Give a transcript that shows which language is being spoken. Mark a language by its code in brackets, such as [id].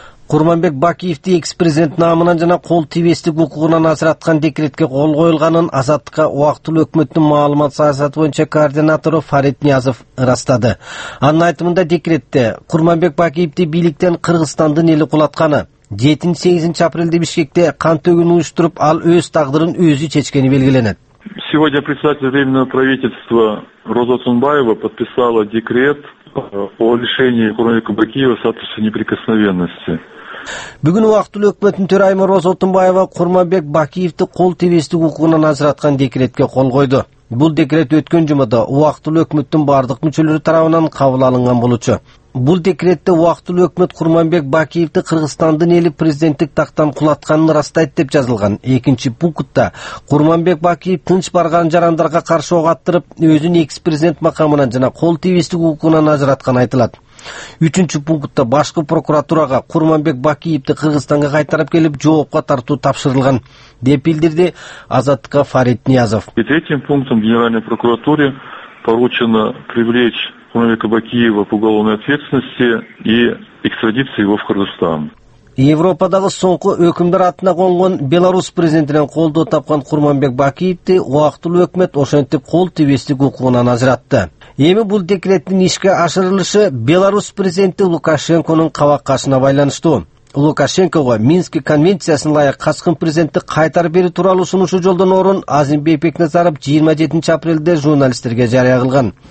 [ky] Курманбек Бакиевди экс-президент наамынан жана кол тийбестик укугунан ажыраткан декретке кол коюлганын Азаттыкка убактылуу өкмөттүн маалымат саясаты боюнча координатору Фарид Ниязов ырастады. Анын айтымында декретте Курманбек Бакиевди бийликтен Кыргызстандын эли кулатканы 7-8 апрелде Бишкекте кан төгүн уюштуруп, ал өз тагдырын өзү чечкени белгиленет. [ru] Сегодня председатель временного правительства Роза Сунбаева подписала декрет о лишении Курманбека Бакиева статуса неприкосновенности. [ky] Бүгүн убактылуу өкмөттүн төрайымы Роза Отунбаева Курманбек Бакиевди кол тийбестик укугунан ажыраткан декретке кол койду. Бул декрет өткөн жумада убактылуу өкмөттүн бардык мүчөлөрү тарабынан кабыл алынган болучу. Бул декретте убактылуу өкмөт Курманбек Бакиевди Кыргызстандын эли президенттик тактан кулатканын ырастайт деп жазылган. Экинчи пунктта Курманбек Бакиев тынч барган жарандарга каршы ок аттырып, өзүн экс-президент макамынан жана кол тийбестик укугунан ажыраткан айтылат. Үчүнчү пунктта башкы прокуратурага Курманбек Бакиевди Кыргызстанга кайтарып келип жоопко тартуу тапшырылган деп билдирди Азаттыкка Фарид Ниязов. [ru] Третьим пунктом Генеральной прокуратуре поручено привлечь Курманбека Бакиева по уголовной ответственности и экстрадиции его в Кыргызстан. [ky] Европадагы соңку өкүмдөр атына конгон Беларусь президентинен колдоо тапкан Курманбек Бакиевди убактылуу өкмөт ошентип кол тийбестик укугунан ажыратты. Эми бул декреттин ишке ашырылышы Беларусь президенти Лукашенконун кабакашына байланыштуу. Лукашенкого Минск конвенциясына ылайык каскын президентти кайтарып берүү тууралуу сунушу жолдон орун Азимбек Бекназаров 27 апрелде журналисттерге жарыя кылган.